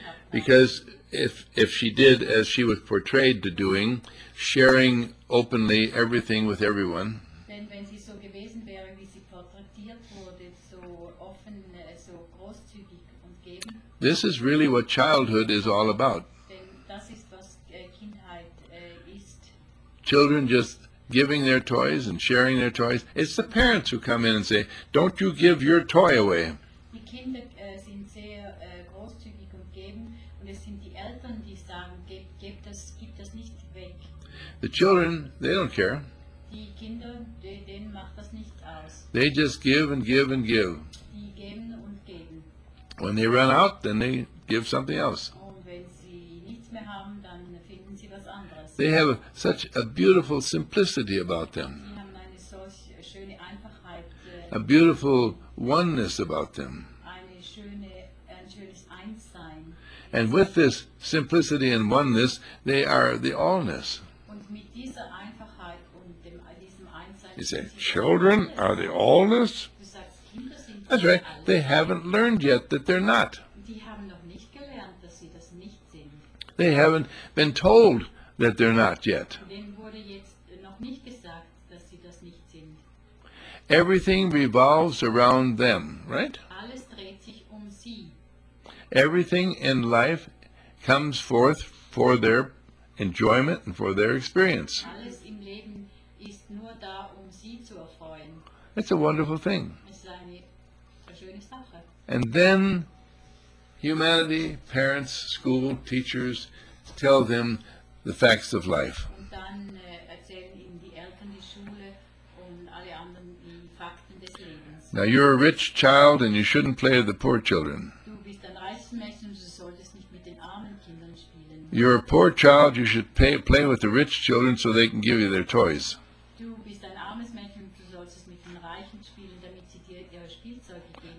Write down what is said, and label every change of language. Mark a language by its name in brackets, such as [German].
[English] Because if she did as she was portrayed to doing, sharing openly everything with everyone, [German] denn wenn sie so gewesen wäre, wie sie porträtiert wurde, so offen, so großzügig und geben, [English] this is really what childhood is all about. [German] Das ist, was Kindheit ist. [English] Children just giving their toys and sharing their toys. It's the parents who come in and say, don't you give your toy away. [German] Die Kinder sind sehr großzügig und geben, und es sind die Eltern, die sagen, gib das nicht weg. [English] The children, they don't care. [German] Die Kinder, denen macht das nicht aus. [English] They just give and give and give. [German] Die geben und geben. [English] When they run out, then they give something else. [German] Und wenn sie nichts mehr haben, dann finden sie was anderes. [English] They have such a beautiful simplicity about them. [German] Sie haben eine solch schöne Einfachheit. [English] A beautiful oneness about them. [German] Eine schöne, ein schönes Einssein. [English] And with this simplicity and oneness, they are the allness. [German] dieser Einfachheit und dem, diesem Einsein. [English] You say, children are the oldest? That's right. They haven't learned yet that they're not. [German] Die haben noch nicht gelernt, dass sie das nicht sind. [English] They haven't been told that they're not yet. [German] Denen wurde jetzt noch nicht gesagt, dass sie das nicht sind. [English] Everything revolves around them, right? [German] Alles dreht sich um sie. [English] Everything in life comes forth for their enjoyment and for their experience. [German] Alles im Leben ist nur da, um sie zu erfreuen. [English] It's a wonderful thing. [German] Es ist eine schöne Sache. [English] And then humanity, parents, school, teachers tell them the facts of life. [German] Und dann erzählen ihnen die Eltern, die Schule und alle anderen die Fakten des Lebens. [English] Now you're a rich child and you shouldn't play with the poor children. [German] Du bist ein reiches Mädchen und du solltest nicht mit den armen Kindern spielen. [English] You're a poor child, you should play with the rich children so they can give you their toys. [German] Du bist ein armes Mädchen und du solltest mit den reichen spielen, damit sie dir ihre Spielzeuge geben.